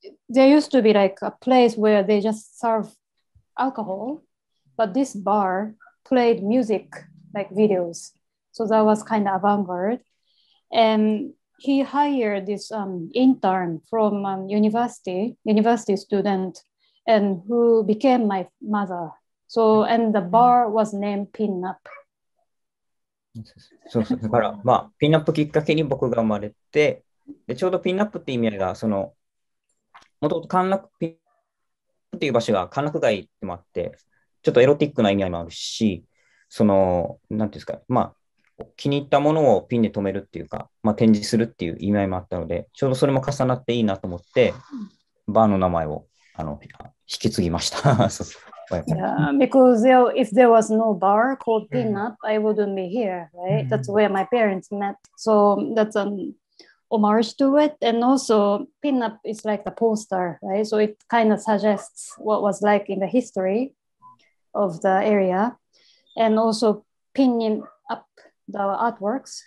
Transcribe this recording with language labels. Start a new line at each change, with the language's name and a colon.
English: There used to be like a place where they just serve alcohol, but this bar played music, like videos. So that was kind of avant-garde. And he hired this intern from university student, and who became my mother. So, and the bar was named Pinup. So, so, so, so,
Japanese: Pinup きっかけに僕が生まれて、でちょうどピンナップって意味合いが、その、もともと歓楽、ピンナップっていう場所が歓楽街でもあって、ちょっとエロティックな意味合いもあるし、その、なんていうんですか、まあ、気に入ったものをピンで留めるっていうか、まあ、展示するっていう意味合いもあったので、ちょうどそれも重なっていいなと思って、バーの名前を引き継ぎました。そうそう。
English: Because if there was no bar called Pinup, I wouldn't be here, right? That's where my parents met. So that's an. Homage to it, and also pinup is like the poster, right? So it kind of suggests what was like in the history of the area, and also pinning up the artworks.